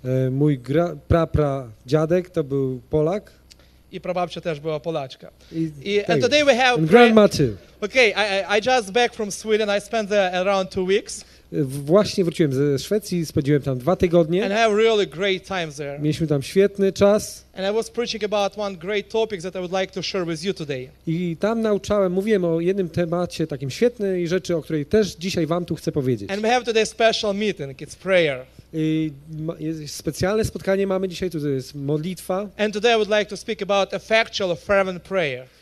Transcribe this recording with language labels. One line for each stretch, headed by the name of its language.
Polish: Mój pra dziadek to był Polak. I prababcia też była Polaczka.
English: And today we have grandma too. Okay, I just back from Sweden. I spent there around 2 weeks.
Polish: Właśnie wróciłem ze Szwecji, spędziłem tam 2 tygodnie.
English: And I have really great times there.
Polish: Mieliśmy tam świetny czas.
English: And I was preaching about one great topic that I would like to share with you today.
Polish: I tam nauczałem, mówiłem o jednym temacie takim świetnym i rzeczy, o której też dzisiaj wam tu chcę powiedzieć.
English: And we have today a special meeting. It's prayer.
Polish: I specjalne spotkanie mamy dzisiaj, to jest modlitwa.
English: And today I would like to speak about effectual fervent prayer.